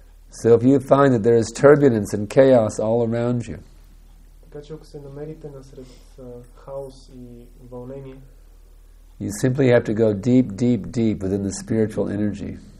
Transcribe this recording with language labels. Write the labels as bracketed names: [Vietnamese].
[English] So if you find that there is turbulence and chaos all around you, [Bulgarian] така че ако се намерите насред хаос и вълнение, [English] You simply have to go deep, deep, deep within the spiritual energy.